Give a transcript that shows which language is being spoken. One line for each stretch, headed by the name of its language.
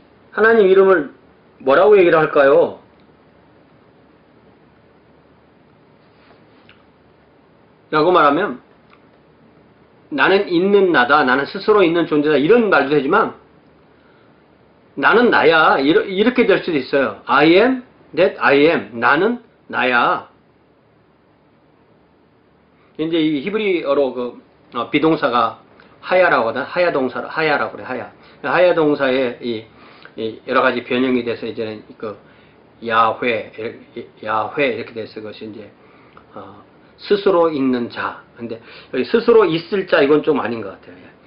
Korean: 하나님 이름을 뭐라고 얘기를 할까요? 라고 말하면 나는 있는 나다. 나는 스스로 있는 존재다. 이런 말도 되지만, 나는 나야. 이렇게 될 수도 있어요.
English: I am that I am.
Korean: 나는 나야. 이제 이 히브리어로 그 비동사가 하야라고 하다 하야 동사 하야라고 그래 하야 하야 동사에 이 여러 가지 변형이 돼서 이제는 그 야훼 이렇게 돼서 그것이 이제 스스로 있는 자 근데 여기 스스로 있을 자 이건 좀 아닌 것 같아요 예.